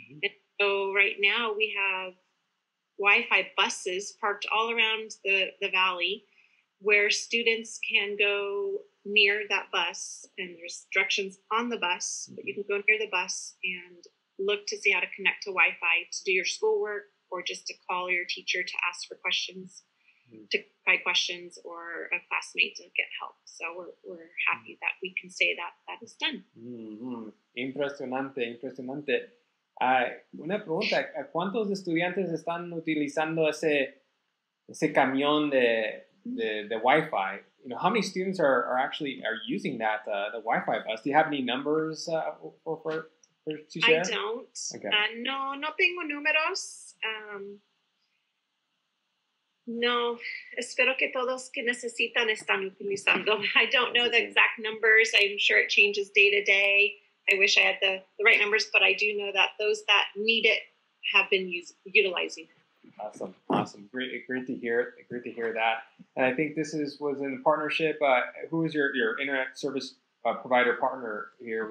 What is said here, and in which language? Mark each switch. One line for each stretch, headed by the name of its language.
English: And so right now we have Wi-Fi buses parked all around the valley where students can go near that bus, and there's instructions on the bus, but you can go near the bus and look to see how to connect to Wi-Fi to do your schoolwork or just to call your teacher to ask for questions, to try questions, or a classmate to get help. So we're happy that we can say that is done.
Spanish: Impresionante, impresionante. Una pregunta, ¿cuántos estudiantes están utilizando ese camión de Wi-Fi?
English: You know, how many students are actually using that, the Wi-Fi bus? Do you have any numbers for to share? I don't. Okay.
Spanish: No tengo números. No, espero que todos que necesitan están utilizando.
English: I don't know the exact numbers. I'm sure it changes day to day. I wish I had the right numbers, but I do know that those that need it have been utilizing it. Awesome. Awesome. Great to hear. Great to hear that. And I think this was in a partnership. Who is your internet service provider partner here?